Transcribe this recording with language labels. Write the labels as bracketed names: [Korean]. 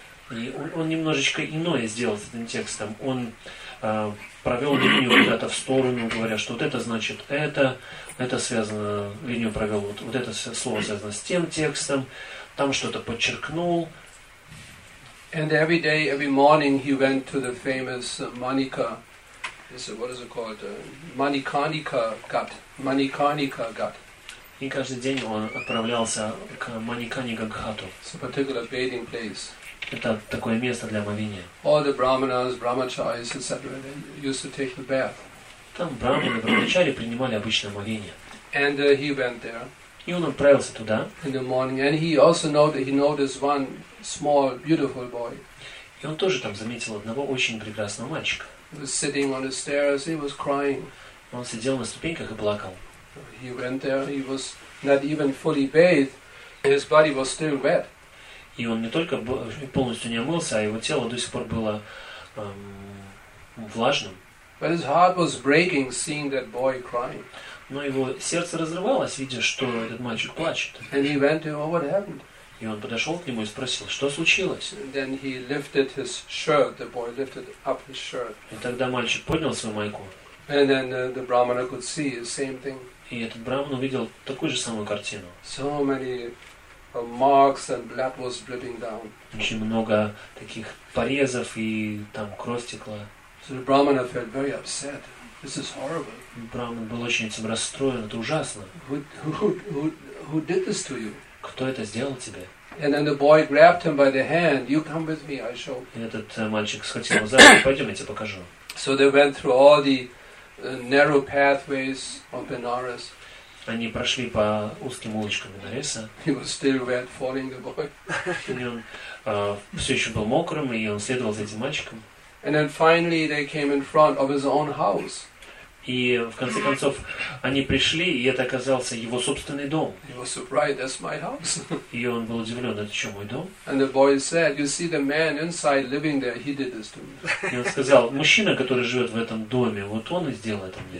[Russian] И он немножечко иное сделал с этим текстом. Он провел линию куда-то в сторону, говоря, что вот это значит это связано, линию провел, вот это слово связано с тем текстом, там что-то подчеркнул. [English] And every day, every morning, he went to the famous Manika. What is it called? Manikarnika Ghat. Manikarnika Ghat. [Russian] И каждый день он отправлялся к Manikarnika Ghatu. [English] It's a particular bathing place. [Russian] Это такое место для омовения. [English] All the brahmanas, brahmacharis, etc. They used to take the bath. [Russian] Там брахманы, брахмачари принимали обычное омовение. [English] And he went there. [Russian] И он отправился туда. [English] In the morning, and he also noticed one. Small, beautiful boy. [Russian] И он тоже там заметил одного очень прекрасного мальчика. [English] He was sitting on the stairs. He was crying. [Russian] Он сидел на ступеньках и плакал. [English] He went there. He was not even fully bathed. His body was still wet. [Russian] И он не только полностью не омылся, а его тело до сих пор было влажным. [English] But his heart was breaking, seeing that boy crying. [Russian] Но его сердце разрывалось, видя, что этот мальчик плачет. [English] And he went to, what happened? [Russian] И он подошел к нему и спросил, что случилось? [English] And then he lifted his shirt. The boy lifted up his shirt. [Russian] И тогда мальчик поднял свою майку. [English] And then the brahmana could see the same thing. [Russian] И этот брахман увидел такую же самую картину. [English] So many marks and blood was dripping down. [Russian] Очень много таких порезов и там кровь текла. [English] So the brahmana felt very upset. This is horrible. [Russian] Брахман был очень этим расстроен. Это ужасно. [English] Who did this to you? [Russian] Кто это сделал тебе? [English] And then the boy grabbed him by the hand. You come with me. I show. [Russian] И этот мальчик схватил его за руку. Пойдем, я тебе покажу. [English] So they went through all the narrow pathways of Benares. [Russian] Они прошли по узким улочкам Бенареса. [English] He was still wet, following the boy. [Russian] Он все еще был мокрым, и он следовал за этим мальчиком. [English] And then finally they came in front of his own house. [Russian] И в конце концов они пришли, и это оказался его собственный дом. [English] He was surprised, that's my house. [Russian] И он был удивлен, это что, мой дом? [English] And the boy said, you see the man inside living there, he did this to me. [Russian] И он сказал, мужчина, который живет в этом доме, вот он и сделал это мне.